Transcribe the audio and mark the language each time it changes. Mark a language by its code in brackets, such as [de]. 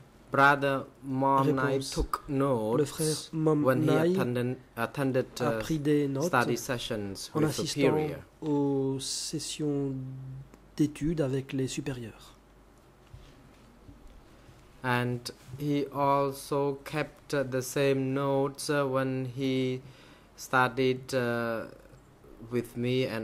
[en] Brother Mom Nai took notes when he attended study sessions with the superior. [fr] En assistant aux sessions d'études avec les supérieurs. [en] And he also kept the same notes when he studied with me and